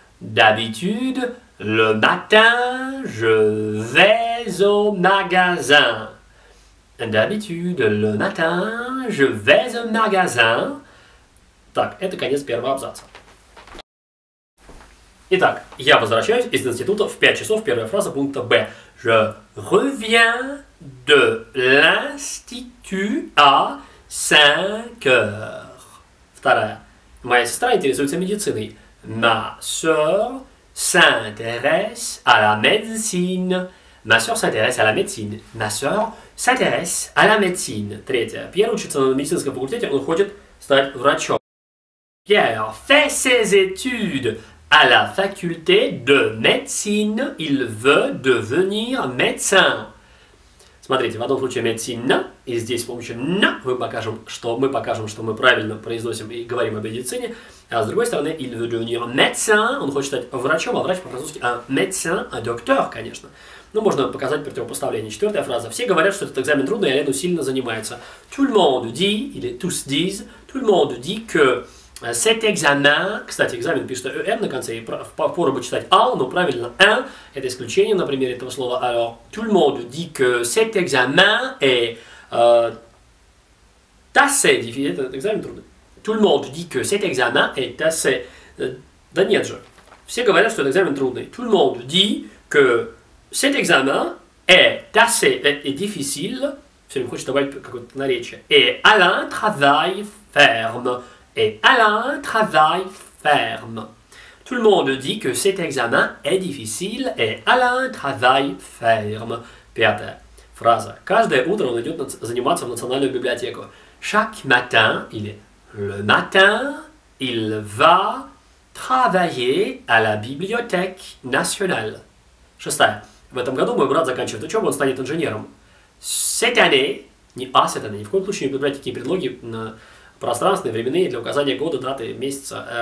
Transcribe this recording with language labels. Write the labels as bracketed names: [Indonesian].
[French] D'habitude, le matin, je vais au magasin. D'habitude, le matin, je vais au magasin. [Russian] Так, это конец первого абзаца. Итак, я возвращаюсь из института в 5 часов, первая фраза пункта Б. [French] Je reviens de l'institut à 5 heures. [Russian] Вторая. Моя сестра интересуется медициной. [French] Ma soeur s'intéresse à la médecine. Ma soeur s'intéresse à la médecine. Ma soeur s'intéresse à la médecine. [Russian] Третья. Пьер учится на медицинском факультете, он хочет стать врачом. [French] Pierre fait ses études à la faculté de médecine. Il veut devenir médecin. [Russian] Смотрите, в одном случае медицина, и здесь с помощью на мы покажем, что мы правильно произносим и говорим о медицине. А с другой стороны, [French] il veut devenir médecin, [Russian] он хочет стать врачом, а врач по-французски médecin, а доктор, конечно. Ну, можно показать противопоставление. Четвертая фраза. Все говорят, что этот экзамен трудный, а Лену сильно занимается. [French] Tout le monde dit, [Russian] или [French] tous disent, tout le monde dit que cet examen, [Russian] кстати, экзамен пишет «ен» на конце, и пора бы читать «ал», но правильно «ен» – это исключение, например, этого слова. [French] Alors, tout le monde dit que cet examen est assez difficile. [Russian] Этот экзамен трудный. [French] Tout le monde dit que cet examen est assez... [Russian] Да нет же. Все говорят, что этот экзамен трудный. [French] Tout le monde dit que cet examen est assez est difficile. [Russian] Все время хочется добавить какое-то наречие. [French] Et Alain travaille ferme. Et Alain travaille ferme. Tout le monde dit que cet examen est difficile et Alain travaille ferme. [Russian] Пятая фраза. Каждое утро он идет заниматься в национальную библиотеку. [French] Chaque matin, il est le matin, il va travailler à la bibliothèque nationale. [Russian] Шестая. В этом году мой брат заканчивает учебу, он станет инженером. [French] Cette année, [Russian] не а cette année, ни в коем случае не подбирайте такие предлоги на пространственные, временные, для указания года, даты, месяца.